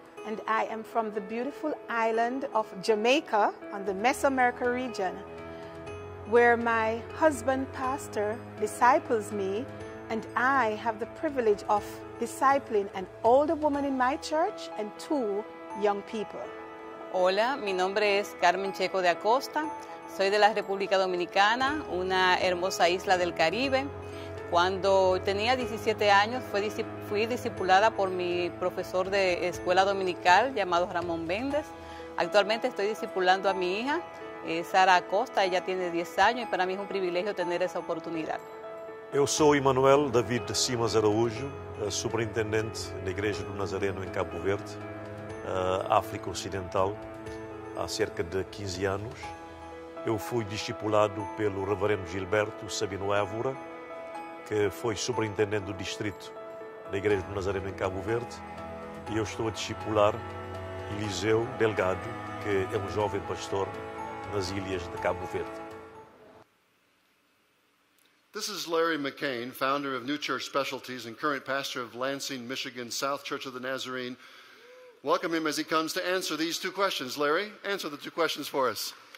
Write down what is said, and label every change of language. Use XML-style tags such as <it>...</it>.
<en>And I am from the beautiful island of Jamaica on the Mesoamerica region, where my husband pastor disciples me, and I have the privilege of discipling an older woman in my church and two young people.</en> <es>Hola, mi nombre es Carmen Checo de Acosta. Soy de la República Dominicana, una hermosa isla del Caribe. Cuando tenía 17 años, fui discipulada por mi profesor de escuela dominical llamado Ramón Méndez. Actualmente estoy discipulando a mi hija Sara Acosta, ella tiene 10 años y para mí es un privilegio tener esa oportunidad.</es> <pt>Eu sou Emanuel David de Simas Araújo, superintendente da Igreja do Nazareno em Cabo Verde, África Ocidental, há cerca de 15 anos. Eu fui discipulado pelo Reverendo Gilberto Sabino Évora, que foi superintendente do distrito da Igreja do Nazareno em Cabo Verde, e eu estou a discipular Eliseu Delgado, que é um jovem pastor nas ilhas de Cabo Verde.</pt> <en>This is Larry McCain, founder of New Church Specialties and current pastor of Lansing, Michigan, South Church of the Nazarene. Welcome him as he comes to answer these two questions. Larry, answer the two questions for us.</en>